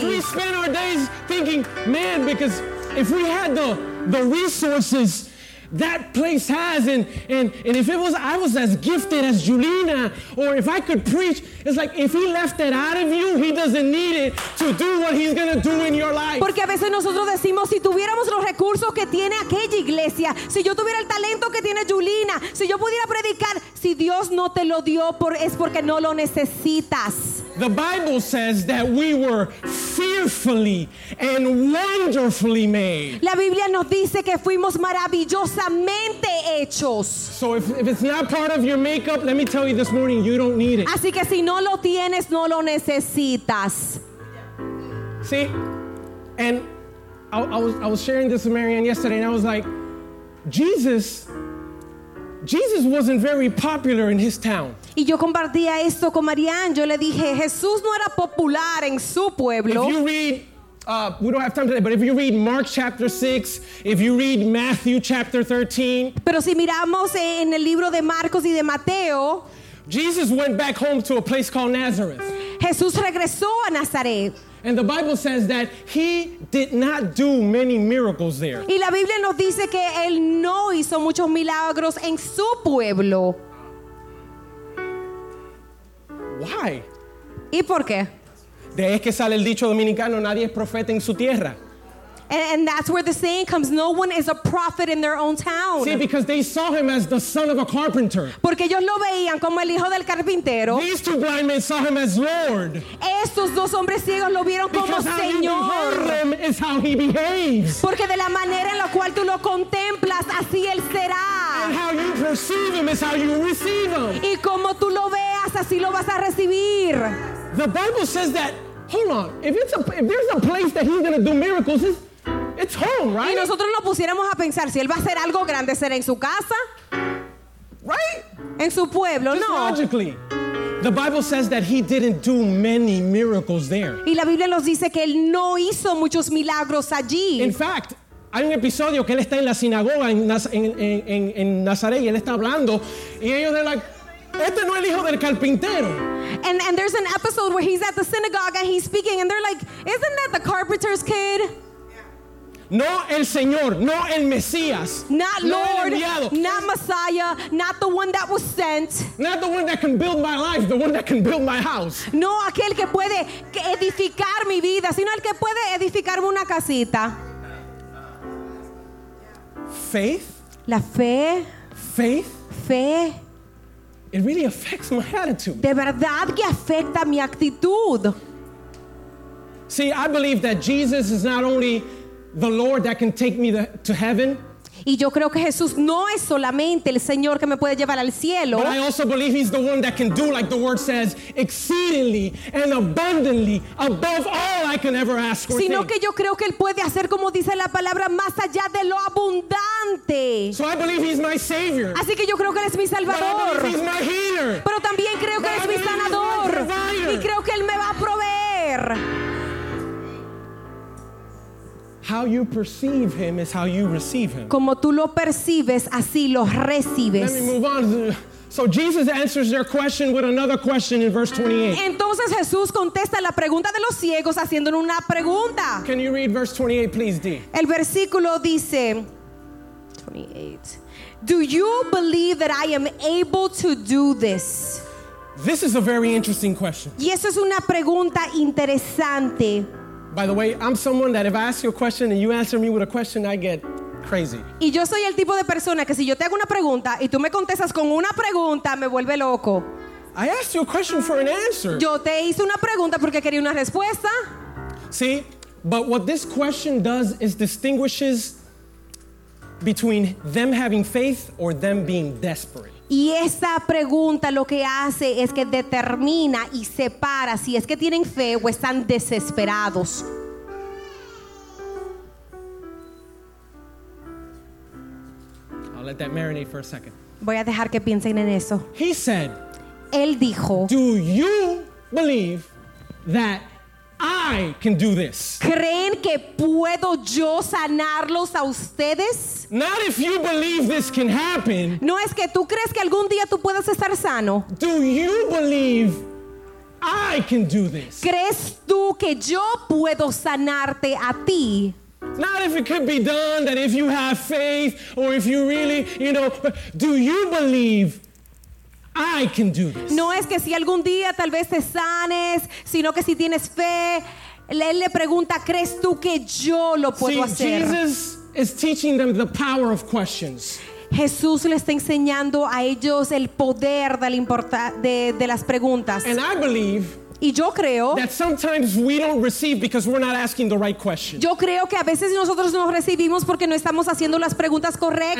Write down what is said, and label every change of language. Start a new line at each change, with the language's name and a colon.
English: Because we spend our days thinking, man, because if we had the resources that place has, and if it was I was as gifted as Julina, or if I could preach, it's like if he left it out of you, he doesn't need it to do what he's gonna do in your life.
Spanish: Porque a veces nosotros decimos, si tuviéramos los recursos que tiene aquella iglesia, si yo tuviera el talento que tiene Julina, si yo pudiera predicar, si Dios no te lo dio, es porque no lo necesitas.
English: The Bible says that we were fearfully and wonderfully made.
Spanish: La Biblia nos dice que fuimos maravillosamente hechos.
English: So if it's not part of your makeup, let me tell you this morning, you don't need it.
Spanish: Así que si no lo tienes, no lo necesitas.
English: See, and I was sharing this with Marianne yesterday, and I was like, Jesus wasn't very popular in his town.
Spanish: Y yo compartía esto con Marianne. Yo le dije, Jesús no era popular en su pueblo.
English: If you read, we don't have time today, but if you read Mark chapter 6, if you read Matthew chapter 13.
Spanish: Pero si miramos en el libro de Marcos y de Mateo.
English: Jesus went back home to a place called Nazareth.
Spanish: Jesús regresó a Nazaret.
English: And the Bible says that he did not do many miracles there.
Spanish: Y la Biblia nos dice que él no hizo muchos milagros en su pueblo.
English: Why?
Spanish: ¿Y por qué? De ahí es que sale el dicho dominicano, nadie es profeta en su tierra.
English: And that's where the saying comes, no one is a prophet in their own town. See, because they saw him as the son of a carpenter.
Spanish: Porque ellos lo veían como el hijo del carpintero.
English: These two blind men saw him as Lord.
Spanish: Estos dos hombres ciegos lo vieron como Señor.
English: Because how you behold him is how he behaves.
Spanish: Porque de la manera en la cual tú lo contemplas, así él será.
English: And how you perceive him is how you receive him.
Spanish: Y como tú lo veas, así lo vas a recibir.
English: The Bible says that, hold on, if there's a place that he's going to do miracles, it's home, right?
Spanish: Y nosotros nos pusiéramos a pensar, si él va a hacer algo grande, será en su casa.
English: Right?
Spanish: en su pueblo,
English: just no. Logically. The Bible says that he didn't do many miracles there.
Spanish: Y la Biblia nos dice que él no hizo muchos milagros allí.
English: In fact,
Spanish: hay un episodio que él está en la sinagoga en Nazaret y él está hablando y ellos están
English: like,
Spanish: este no es el hijo del carpintero.
English: And there's an episode where he's at the synagogue and he's speaking and they're like, isn't that the carpenter's kid?
Spanish: No el Señor, no el Mesías.
English: Not Lord, not Messiah, not the one that was sent. Not the one that can build my life, the one that can build my house.
Spanish: No aquel que puede edificar mi vida, sino el que puede edificarme una casita.
English: Faith?
Spanish: La fe.
English: Faith?
Spanish: Fe.
English: It really affects my attitude.
Spanish: De verdad que afecta mi actitud.
English: See, I believe that Jesus is not only the Lord that can take me to heaven.
Spanish: Y yo creo que Jesús no es solamente el Señor que me puede llevar al cielo.
English: But I also believe he's the one that can do, like the word says, exceedingly and abundantly above all I can ever ask or think.
Spanish: Sino que yo creo que él puede hacer como dice la palabra más allá de lo abundante.
English: So I believe he's my savior.
Spanish: Así que yo creo que él es mi salvador.
English: But I believe he's my healer.
Spanish: Pero también creo que él es mi sanador. Y creo que él me va a proveer.
English: How you perceive him is how you receive him.
Spanish: Como tú lo percibes, así lo recibes.
English: Let me move on. So Jesus answers their question with another question in verse 28.
Spanish: Entonces Jesús contesta la pregunta de los ciegos haciéndole una pregunta.
English: Can you read verse 28, please, Dee?
Spanish: El versículo dice, 28.
English: Do you believe that I am able to do this? This is a very interesting question.
Spanish: Y eso es una pregunta interesante.
English: By the way, I'm someone that if I ask you a question and you answer me with a question, I get crazy.
Spanish: Y yo soy el tipo de persona que si yo te hago una pregunta y tú me contestas con una pregunta, me vuelve loco.
English: I asked you a question for an answer.
Spanish: Yo te hice una pregunta porque quería una respuesta.
English: See, but what this question does is distinguishes between them having faith or them being desperate.
Spanish: Y esa pregunta lo que hace es que determina y separa si es que tienen fe o están desesperados.
English: I'll let that marinate for a second.
Spanish: Voy a dejar que piensen en eso.
English: He said,
Spanish: él dijo,
English: do you believe that I can do this?
Spanish: ¿Creen que puedo yo sanarlos a ustedes?
English: Not if you believe this can happen.
Spanish: No es que tú crees que algún día tú puedas estar sano.
English: Do you believe I can do this?
Spanish: ¿Crees tú que yo puedo sanarte a ti?
English: Not if it could be done, that if you have faith or if you really, you know, do you believe I can do this?
Spanish: No es que si algún día tal vez te sanes, sino que si tienes fe, él le pregunta, ¿crees tú que yo lo puedo
English: See,
Spanish: hacer?
English: Jesus is teaching them the power of questions.
Spanish: Jesús le está enseñando a ellos el poder de, de las preguntas.
English: And I believe
Spanish: y yo creo
English: that sometimes we don't receive because we're not asking the right question.
Spanish: Yo creo que a veces nosotros no recibimos porque no estamos haciendo las preguntas correctas.